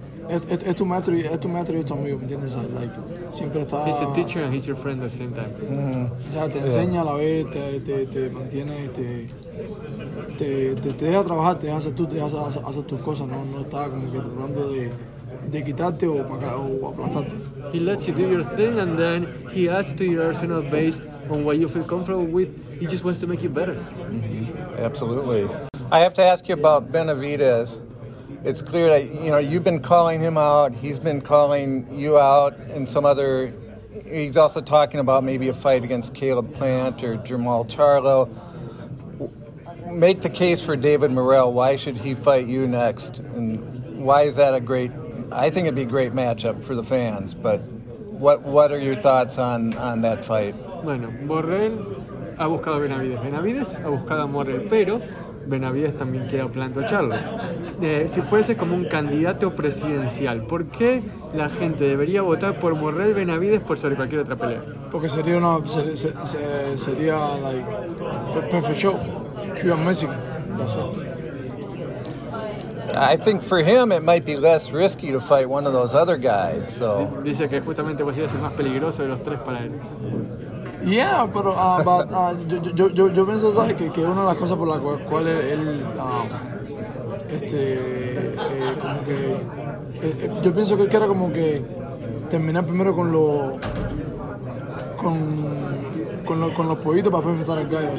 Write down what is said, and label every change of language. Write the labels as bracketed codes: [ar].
[en] He's a teacher and he's your friend at the same time. Mm-hmm. [es] Ya, te enseña a la vez, te mantiene, te deja trabajar, te hace tus cosas. No está como que tratando de. De quitarte o aplastarte. [en] He lets you do your thing and then he adds to your arsenal based on what you feel comfortable with. He just wants to make you better. Mm-hmm. Absolutely. I have to ask you about Benavidez. It's clear that, you know, you've been calling him out. He's been calling you out and some other. He's also talking about maybe a fight against Caleb Plant or Jermall Charlo. Make the case for David Morrell. Why should he fight you next? And why is that a great... I think it'd be a great matchup for the fans, but what are your thoughts on that fight? [es] Bueno, Morrell ha buscado a Benavidez. Benavidez ha buscado a Morrell, pero Benavidez también quiere plantar a Charlo. Si fuese como un candidato presidencial, ¿por qué la gente debería votar por Morrell Benavidez por sobre cualquier otra pelea? Porque sería una sería [en] like perfect show, Cuban Mexico. That's it. I think for him it might be less risky to fight one of those other guys. So. [es] Dice que justamente va a ser más peligroso de los tres para él. Yeah, pero yo pienso que una de las cosas por las cuales él como que yo pienso que quiera como que terminar primero con los con los pollitos para enfrentar al gallo.